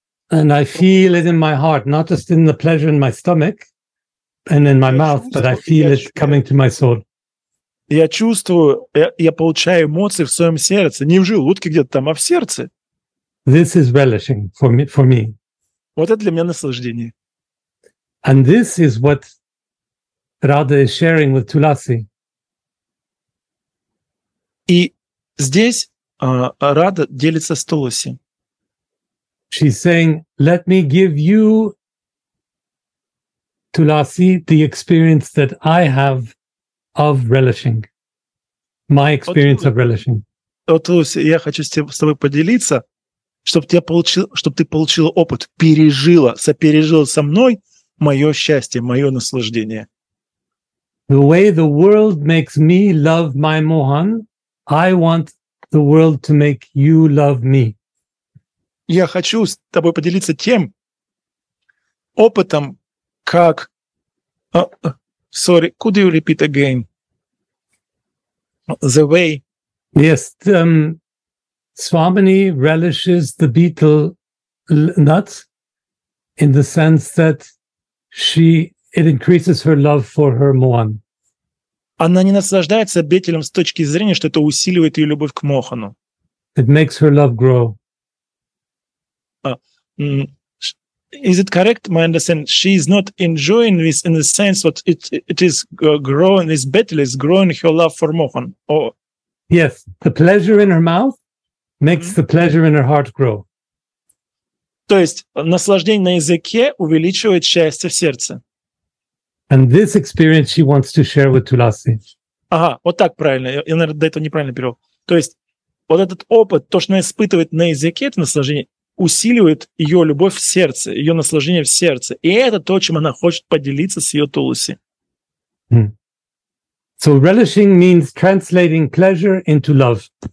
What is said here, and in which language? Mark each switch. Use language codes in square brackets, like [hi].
[en] And I feel it in my heart, not just in the pleasure in my stomach and in my mouth, but I feel it coming to my soul. [ru] Я чувствую, я получаю эмоции в своем сердце, не в желудке где-то там, а в сердце. [en] This is relishing for me. [ru] Вот это для меня наслаждение. [en] And this is what Radha is sharing with Tulasi. [ru] И здесь Радха делится с Туласи. [en] She's saying, "Let me give you, Tulasi, the experience that I have of relishing. My experience of relishing." [ru] Туласи, я хочу с тобой поделиться, чтобы ты получила опыт, пережила, сопережила со мной мое счастье, мое наслаждение. [en] The way the world makes me love my Mohan, I want the world to make you love me. [ru] Я хочу с тобой поделиться тем опытом, как... [en] Sorry, could you repeat again? The way... Yes, Swamini relishes the beetle nuts in the sense that it increases her love for her Mohan. Она не наслаждается бетелем с точки зрения, что это усиливает ее любовь к Мохану. It makes her love grow. Is it correct, my understanding? She is not enjoying this in the sense that it is growing, this betel is growing her love for Mohan. Yes, the pleasure in her mouth makes the pleasure in her heart grow. [ru] То есть наслаждение на языке увеличивает счастье в сердце. [en] And this experience she wants to share with Tulasi. [ru] Ага, вот так правильно. Я, наверное, до этого неправильно перевел. То есть вот этот опыт, то, что она испытывает на языке, это наслаждение, усиливает ее любовь в сердце, ее наслаждение в сердце. И это то, чем она хочет поделиться с ее Туласи. [en] So relishing means translating pleasure into love.